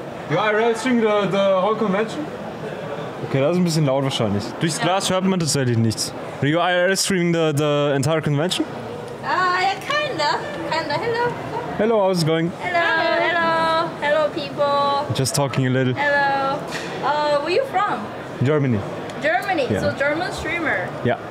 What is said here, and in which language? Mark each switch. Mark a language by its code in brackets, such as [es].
[en] You are realizing the whole convention? [de] Okay, das ist ein bisschen laut wahrscheinlich. Durchs Glas hört man tatsächlich nichts. [en] Are you IRL streaming the entire convention? Kinda. Hello. Hello, how's it going? Hello. Hello, people. Just talking a little. Hello. Where are you from? Germany. Germany, yeah. So German streamer. Yeah.